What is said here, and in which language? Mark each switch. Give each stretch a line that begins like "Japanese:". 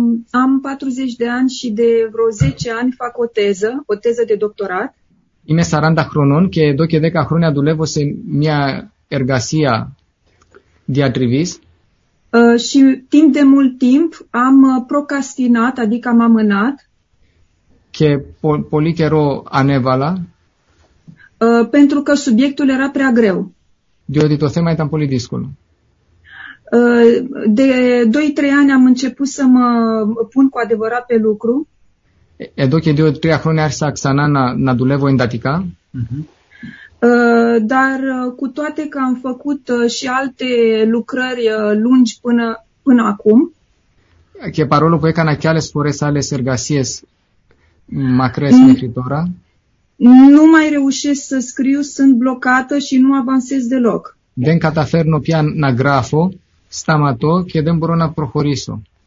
Romanian: Am 40 de ani și de vreo 10 ani fac o teză de doctorat.
Greek: Είμαι 40 χρονών και εδώ και 10 χρόνια δουλεύω σε μια εργασία διατριβής.
Romanian: Și timp de mult timp am procrastinat, adică am amânat.
Greek: Και πολύ καιρό ανέβαλα.
Romanian: Pentru că subiectul era prea greu.
Greek: Διότι το θέμα ήταν πολύ δύσκολο.
Romanian: De 2-3 ani am început să mă pun cu adevărat pe lucru.
Greek: Εδώ και 2-3 χρόνια άρχισα ξανά να δουλεύω εντατικά.
Romanian: Dar cu toate că am făcut și alte lucrări lungi până acum.
Greek: Και παρόλο που έκανα και άλλες φορές άλλες εργασίες μακρές μέχρι τώρα.
Romanian: Nu mai reușesc să scriu, sunt blocată și nu avansez deloc.
Greek: Δεν καταφέρνω πια να γράφω, σταματώ και δεν μπορώ να προχωρήσω.